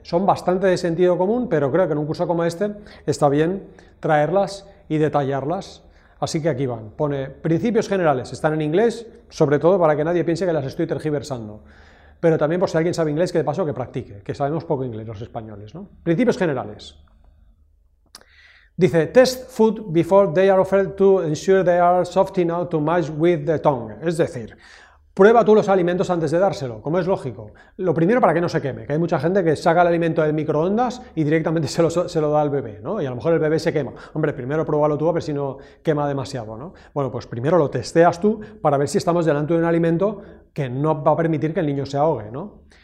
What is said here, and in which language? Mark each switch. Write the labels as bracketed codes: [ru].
[es] Son bastante de sentido común, pero creo que en un curso como este está bien traerlas y detallarlas. Así que aquí van. Pone principios generales. Están en inglés, sobre todo para que nadie piense que las estoy tergiversando. Pero también por si alguien sabe inglés, que de paso que practique, que sabemos poco inglés los españoles, ¿no? Principios generales. [en] Dice, test food before they are offered to ensure they are soft enough to match with the tongue. [es] Es decir, prueba tú los alimentos antes de dárselo, como es lógico. Lo primero para que no se queme, que hay mucha gente que saca el alimento del microondas y directamente se lo da al bebé, ¿no? Y a lo mejor el bebé se quema. Hombre, primero pruébalo tú a ver si no quema demasiado, ¿no? Bueno, pues primero lo testeas tú para ver si estamos delante de un alimento que no va a permitir que el niño se ahogue, ¿no?